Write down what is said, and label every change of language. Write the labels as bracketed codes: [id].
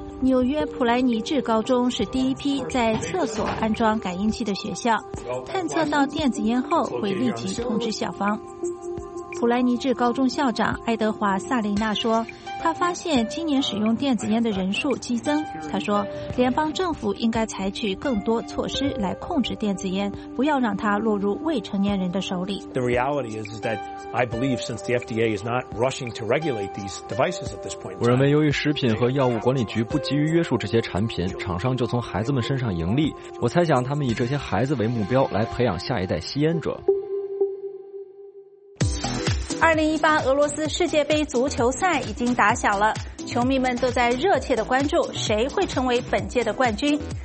[zh] 纽约普莱尼治高中是第一批在厕所安装感应器的学校，探测到电子烟后会立即通知校方。普莱尼治高中校长爱德华·萨琳娜说，他发现今年使用电子烟的人数激增。他说，联邦政府应该采取更多措施来控制电子烟，不要让它落入未成年人的手里。 [en] The reality is that I believe since the FDA is not rushing to regulate these devices at this point, [zh] 我认为由于食品和药物管理局不急于约束这些产品，厂商就从孩子们身上盈利。我猜想他们以这些孩子为目标来培养下一代吸烟者。 2018俄罗斯世界杯足球赛已经打响了，球迷们都在热切的关注谁会成为本届的冠军。